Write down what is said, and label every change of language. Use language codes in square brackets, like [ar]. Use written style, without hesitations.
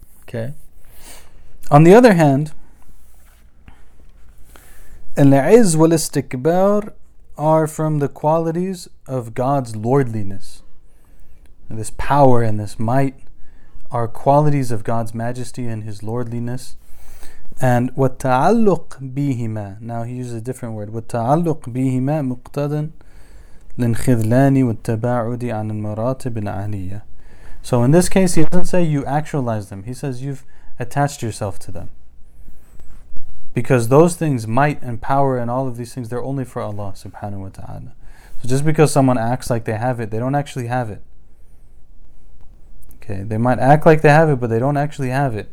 [en] Okay. On the other hand, [ar] العز والاستكبار [en] are from the qualities of God's lordliness. This power and this might are qualities of God's majesty and His lordliness. [ar] And والتعلق بهما, [en] now he uses a different word, [ar] والتعلق بهما مقتضى للخذلان والتباعد عن المراتب العالية. [en] So in this case, he doesn't say you actualize them. He says you've attached yourself to them. Because those things, might and power and all of these things, they're only for Allah subhanahu wa ta'ala. So just because someone acts like they have it, they don't actually have it. Okay, they might act like they have it, but they don't actually have it.